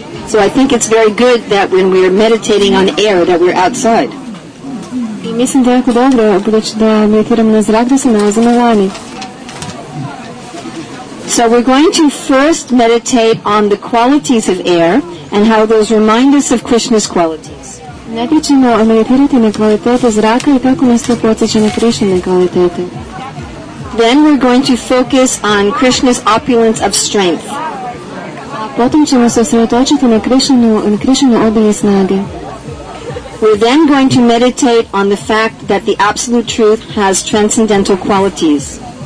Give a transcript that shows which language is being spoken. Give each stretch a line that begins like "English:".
English: So I think it's very good that when we are meditating on air that we're outside.
Croatian: I mislim da je jako dobro, budući da meditiramo na zrak, da se nalazimo vani.
English: So we're going to first meditate on the qualities of air and how those remind us of Krishna's qualities.
Croatian: Najprije ćemo meditirati na kvalitete zraka i kako nas to podsjeća na Krišnine kvalitete.
English: Then we're going to focus on Krishna's opulence of strength.
Croatian: Potom ćemo se usredotočiti na Krišnine obilje snage.
English: We're then going to meditate on the fact that the absolute truth has transcendental qualities.